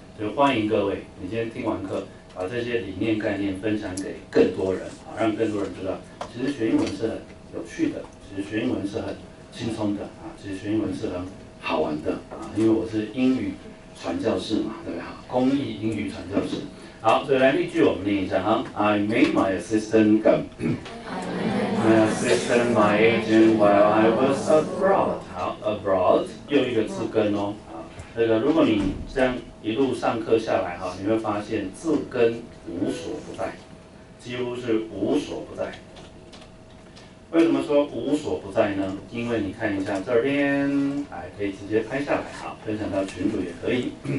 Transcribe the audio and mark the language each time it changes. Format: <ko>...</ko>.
<zh>所以欢迎各位，你今天听完课，把这些理念概念分享给更多人啊，让更多人知道，其实学英文是很有趣的，其实学英文是很轻松的啊，其实学英文是很好玩的啊，因为我是英语传教士嘛，对不对？公益英语传教士。好，所以来例句我们念一下哈。</zh> <en>I made my assistant come. I assisted my agent while I was abroad.</en> <zh>好 ，abroad 又一个字根哦。啊，这个如果你这样一路上课下来哈，你会发现字根无所不在，几乎是无所不在。为什么说无所不在呢？因为你看一下这边，哎，可以直接拍下来哈，分享到群组也可以。</zh>